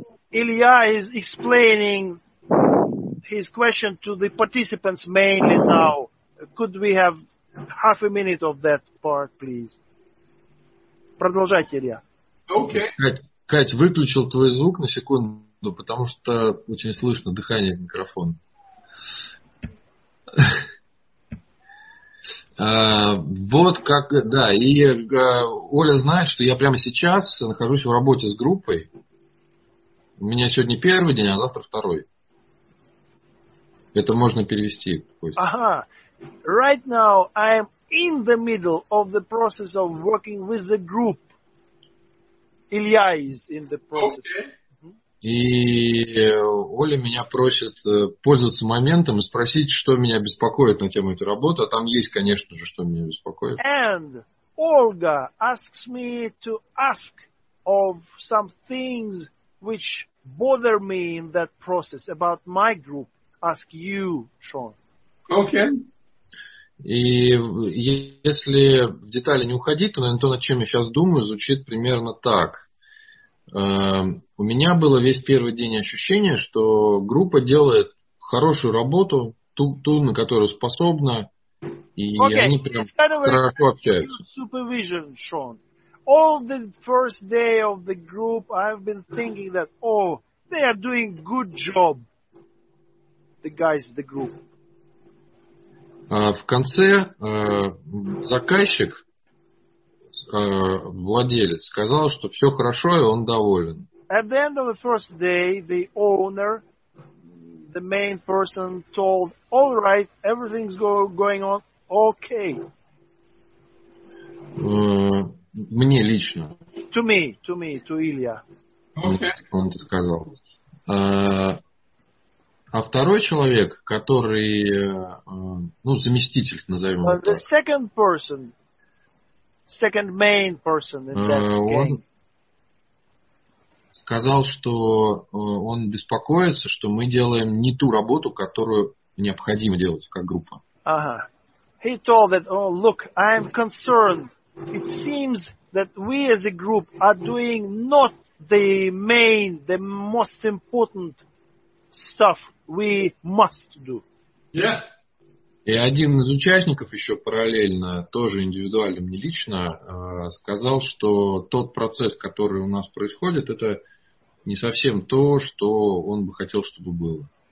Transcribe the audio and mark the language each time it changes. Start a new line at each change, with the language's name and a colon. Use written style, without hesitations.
English: Илья is explaining his question to the participants mainly now. Could we have half a minute of that part, please?
Russian: Продолжайте, Илья.
English: Okay.
Russian: Кать, выключил твой звук на секунду, потому что очень слышно дыхание в микрофон. Вот как, да, и Оля знает, что я прямо сейчас нахожусь в работе с группой. У меня сегодня первый день, а завтра второй. Это можно перевести. Ага.
English: Right now I'm in the middle of the process of working with the group. Илья is in the process. Okay. Mm-hmm.
Russian: И Оля меня просит пользоваться моментом и спросить, что меня беспокоит на тему этой работы. А там есть, конечно же, что меня беспокоит.
English: And Olga asks me to ask of some things which bother me in that process about my group. Ask you, Sean. Okay.
Russian: И если в детали не уходить, то, наверное, то, над чем я сейчас думаю, звучит примерно так. У меня было весь первый день ощущение, что группа делает хорошую работу, ту на которую способна, и
English: okay.
Russian: они прям хорошо общаются.
English: Supervision, Sean. All the first day of the group, I've been thinking that, oh, they are doing good job, the guys, the group.
Russian: В конце заказчик, владелец, сказал, что все хорошо, и он доволен.
English: At the end of the first day, the owner, the main person, told, all right, everything's going on okay.
Russian: Мне лично.
English: To me, to Ilya. Okay.
Russian: Он это сказал. А второй человек, который, ну, заместитель, назовем его так.
English: The second person, second main person in that
Russian: он сказал, что он беспокоится, что мы делаем не ту работу, которую необходимо делать как группа. Ага. Uh-huh.
English: He told that, oh, look, I'm concerned. It seems that we as a group are doing not the main, the most important stuff we must do. Yeah.
Russian: И один из участников еще параллельно, тоже индивидуально, мне лично, сказал, что тот процесс, который у нас происходит, это не совсем то, что он бы хотел, чтобы было.